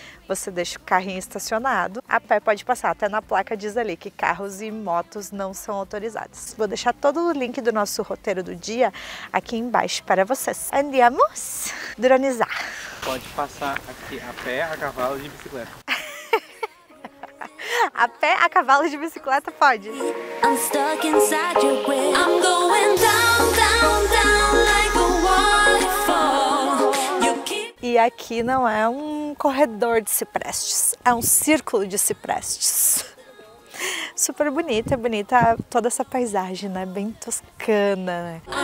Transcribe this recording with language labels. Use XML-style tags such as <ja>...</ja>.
<pt>Você deixa o carrinho estacionado, a pé pode passar. Até na placa diz ali que carros e motos não são autorizados. Vou deixar todo o link do nosso roteiro do dia aqui embaixo para vocês. Andiamos! Dronizar! Pode passar aqui a pé, a cavalo e de bicicleta. A pé, a cavalo e de bicicleta pode.</pt> <en>I'm stuck inside your way. I'm going down, down, down like a waterfall. You keep...</en> <pt>E aqui não é um corredor de ciprestes, é um círculo de ciprestes. Super bonita, é bonita toda essa paisagem, né? Bem toscana, né?</pt>